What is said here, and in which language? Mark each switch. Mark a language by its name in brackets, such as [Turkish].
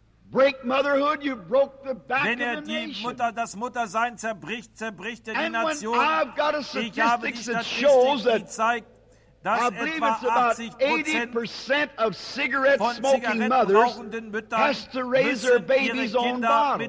[English] Break motherhood, you broke the back [German] Wenn er [English] of the [German] die [English] nation. [German] Mutter, das Muttersein zerbricht, zerbricht er [English] and [German] die Nation. [English] I've got a statistic, [German] ich habe die Statistik, [English] that shows that [German] die zeigt, dass [English] I believe it's about 80% of cigarette-smoking mothers has to raise their babies on bottles.